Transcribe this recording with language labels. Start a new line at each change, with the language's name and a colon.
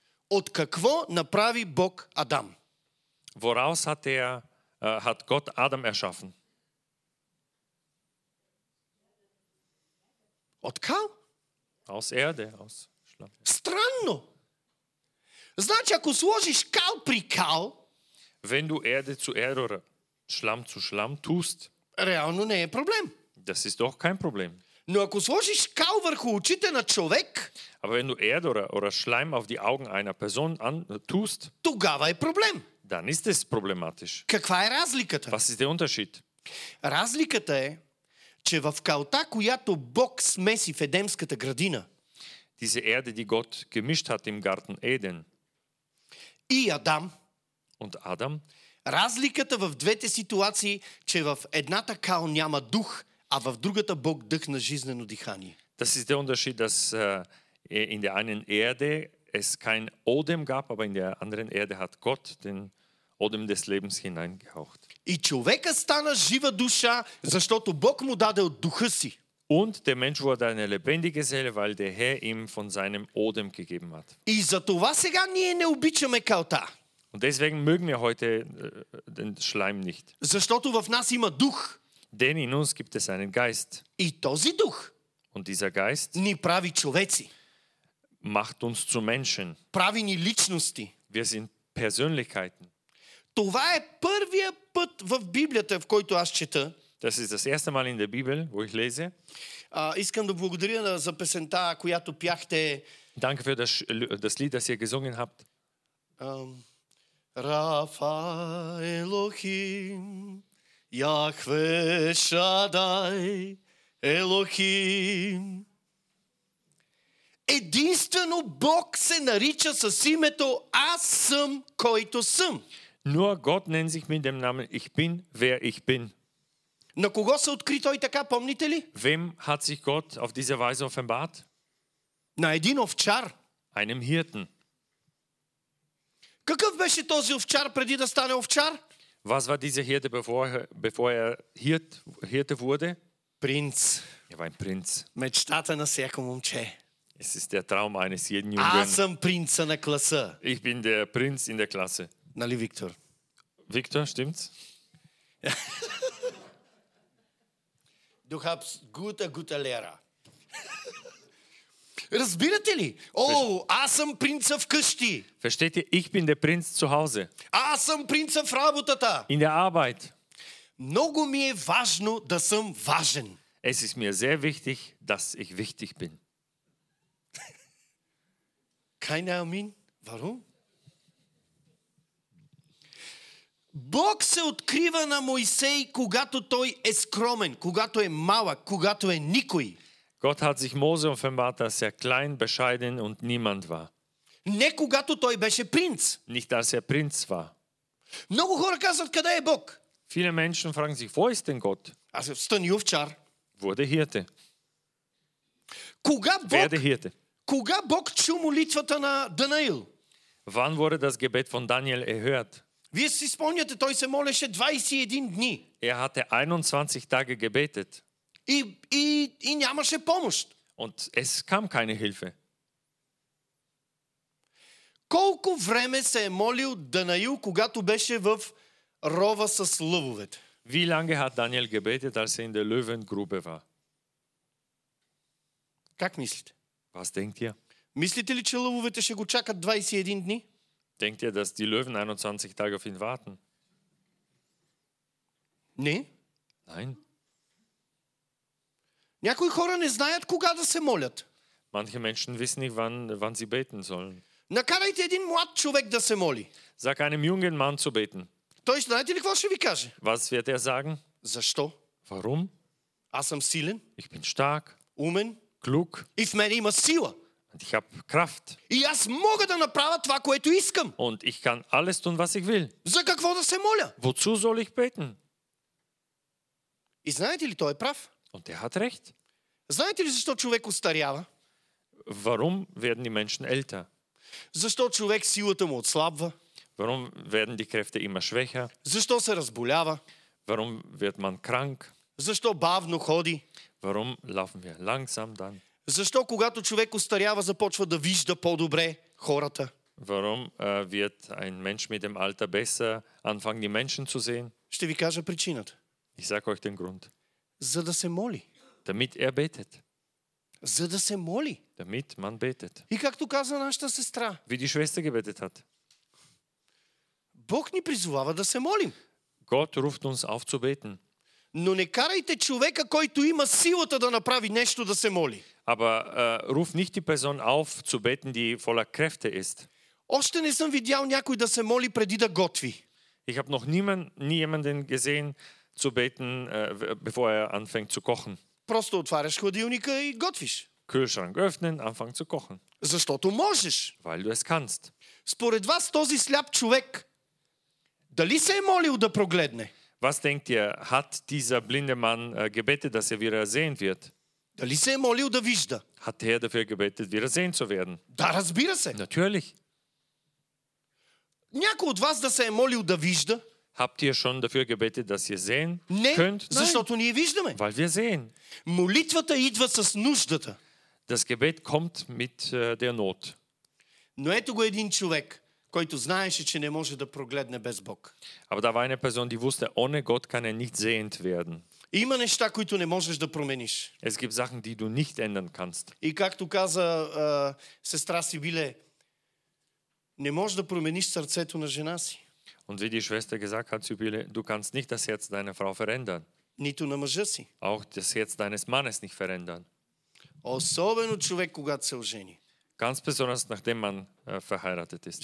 Bulgarian: От какво направи Бог Адам?
German: Woraus hat Gott Adam erschaffen?
Bulgarian: От кал?
German: Aus Erde, aus Schlamm.
Bulgarian: Странно. Значи ако сложиш кал при кал,
German: wenn du Erde zu Erde oder Schlamm zu Schlamm tust,
Bulgarian: реално не е проблем.
German: Das ist doch kein Problem.
Bulgarian: Но ако сложиш кал върху очите на човек,
German: aber wenn du Erde oder Schleim auf die Augen einer Person tust,
Bulgarian: тогава е проблем.
German: Dann ist es problematisch.
Bulgarian: Каква е разликата?
German: Was ist der Unterschied?
Bulgarian: Разликата е, че в калта, която Бог смеси в Едемската градина,
German: diese Erde, die Gott gemischt hat im Garten Eden,
Bulgarian: и Адам,
German: und Adam,
Bulgarian: разликата в двете ситуации, че в едната кал няма дух, а в другата Бог дъхна жизнено дихание.
German: Das ist der Unterschied, dass in der einen Erde es kein Odem gab, aber in der anderen Erde hat Gott den Odem des Lebens hineingehaucht.
Bulgarian: И човека стана жива душа, защото Бог му даде от духа си.
German: Und der Mensch wurde eine lebendige Seele, weil der Herr ihm von seinem Odem gegeben hat.
Bulgarian: И затова сега ние не обичаме калта.
German: Und deswegen mögen wir heute den Schleim nicht.
Bulgarian: Защото в нас има дух.
German: Denn in uns gibt es einen Geist.
Bulgarian: И този дух.
German: Und dieser Geist
Bulgarian: ни прави човеци.
German: Macht uns zu Menschen.
Bulgarian: Прави ни личности.
German: Wir sind Persönlichkeiten.
Bulgarian: Това е първия път в Библията, в който аз чета.
German: Das ist das erste Mal in der Bibel, wo ich lese.
Bulgarian: Искам да благодаря за песента, която пяхте.
German: Danke für das Lied, das ihr gesungen habt.
Hebrew: Rafa Elohim, Yahve Shaddai Elohim.
Bulgarian: Единствено Бог се нарича с името Аз съм, който съм.
German: Nur Gott nennt sich mit dem Namen Ich bin, wer ich bin.
Bulgarian: На кого се откри той така, помните ли?
German: Wem hat sich Gott auf diese Weise offenbart?
Bulgarian: На един овчар.
German: Einem Hirten.
Bulgarian: Какъв беше този овчар преди да стане овчар?
German: Was war dieser Hirte bevor er Hirte wurde?
Bulgarian: Принц.
German: Er war ein Prinz.
Bulgarian: Мечтата на всяко момче.
German: Es ist der Traum eines jeden Jungen.
Bulgarian: Аз съм принца на класа.
German: Ich bin der Prinz in der Klasse.
Bulgarian: Нали, Виктор?
German: Виктор, stimmt's? Du hast gute Lehrer.
Bulgarian: Разбирате ли? О, аз съм принца вкъщи.
German: Versteht ihr, ich bin der Prinz zu Hause.
Bulgarian: Аз съм принца в работата.
German: In der Arbeit.
Bulgarian: Много ми е важно да съм важен.
German: Es ist mir sehr wichtig, dass ich wichtig bin. Keine Ahnung, warum?
Bulgarian: Бог се открива на Моисей, когато той е скромен, когато е малък, когато е никой.
German: Gott hat sich Mose offenbart, dass er klein, bescheiden und niemand war.
Bulgarian: Не когато той беше принц.
German: Nicht als er Prinz war.
Bulgarian: Много хора казват, къде е Бог?
German: Viele Menschen fragen sich, wo ist denn Gott?
Bulgarian: Also, стани овчар.
German: Wurde Hirte.
Bulgarian: Кога Бог?
German: Werde Hirte.
Bulgarian: Кога Бог чу молитвата на Даниил?
German: Wann wurde das Gebet von Daniel erhört?
Bulgarian: Вие си спомняте, той се молеше 21 дни.
German: Er hatte 21 Tage gebetet.
Bulgarian: И нямаше помощ.
German: Und es kam keine Hilfe.
Bulgarian: Колко време се е молил Даниил, когато беше в рова с лъвовете?
German: Wie lange hat Daniel gebetet, als er in der Löwengrube war?
Bulgarian: Как мислите?
German: Was denkt ihr?
Bulgarian: Мислите ли, че лъвовете ще го чакат 21 дни?
German: Denkt ihr, dass die Löwen 21 Tage auf ihn warten? Nee. Nein.
Bulgarian: Някои хора не знаят кога да се молят.
German: Manche Menschen wissen nicht, wann sie beten sollen.
Bulgarian: Накарайте един млад човек да се моли.
German: Sag einem jungen Mann zu beten.
Bulgarian: Той знаете ли какво ще ви каже?
German: Was wird er sagen?
Bulgarian: Защо?
German: Warum?
Bulgarian: Аз съм силен.
German: Ich bin stark.
Bulgarian: Умен.
German: Klug.
Bulgarian: И в мен има сила.
German: Ich habe Kraft.
Bulgarian: И аз мога да направя това, което искам.
German: Und ich kann alles tun, was ich will.
Bulgarian: За какво да се моля?
German: Wozu soll ich beten?
Bulgarian: И знаете ли, той е прав?
German: Und er hat recht.
Bulgarian: Знаете ли, защо човек устарява?
German: Warum werden die Menschen älter?
Bulgarian: Защо човек силата му отслабва?
German: Warum werden die Kräfte immer schwächer?
Bulgarian: Защо се разболява?
German: Warum wird man krank?
Bulgarian: Защо бавно ходи?
German: Warum laufen wir langsam dann?
Bulgarian: Защо когато човек устарява започва да вижда по-добре хората?
German: Warum wird ein Mensch mit dem Alter besser anfangen die Menschen zu sehen?
Bulgarian: Ще ви кажа причината.
German: Ich sag euch den Grund.
Bulgarian: За да се моли.
German: Damit er betet.
Bulgarian: За да се моли.
German: Damit man betet.
Bulgarian: И както каза нашата сестра.
German: Wie die Schwester gebetet hat.
Bulgarian: Бог ни призовава да се молим.
German: Gott ruft uns auf zu beten.
Bulgarian: Но не карайте човека, който има силата да направи нещо, да се моли.
German: Aber ruf nicht die Person auf zu beten, die voller Kräfte ist.
Bulgarian: Още не съм видял някой да се моли преди да готви.
German: Ich habe noch niemanden gesehen zu beten, bevor er anfängt zu kochen.
Bulgarian: Просто отваряш хладилника и готвиш.
German: Kühlschrank öffnen, anfangen zu kochen.
Bulgarian: Защото можеш.
German: Weil du es kannst.
Bulgarian: Според вас този сляп човек дали се е молил да прогледне?
German: Was denkt ihr, hat dieser blinde Mann gebetet, dass er wieder sehen wird?
Bulgarian: Дали се е молил да вижда?
German: Hat er dafür gebetet, wieder sehen zu werden?
Bulgarian: Да, разбира се.
German: Natürlich.
Bulgarian: Някой от вас да се е молил да вижда?
German: Habt ihr schon dafür gebetet, dass ihr sehen könnt? Nein. Weil wir sehen.
Bulgarian: Молитвата идва с нуждата.
German: Das Gebet kommt mit der Not.
Bulgarian: Но ето го един човек, който знаеше, че не може да прогледне без Бог.
German: Aber da war eine Person, die wusste, ohne Gott kann er nicht sehend werden.
Bulgarian: Има неща, които не можеш да промениш.
German: Es gibt Sachen, die du nicht ändern kannst.
Bulgarian: И както каза сестра Сибиле, не можеш да промениш сърцето на жена си.
German: Und wie die Schwester gesagt hat, Sibylle, du kannst nicht das Herz deiner Frau verändern.
Bulgarian: Nito na mъжа си.
German: Auch das Herz deines Mannes nicht verändern.
Bulgarian: Особено човек, когато се ожени.
German: Ganz besonders, nachdem man verheiratet ist.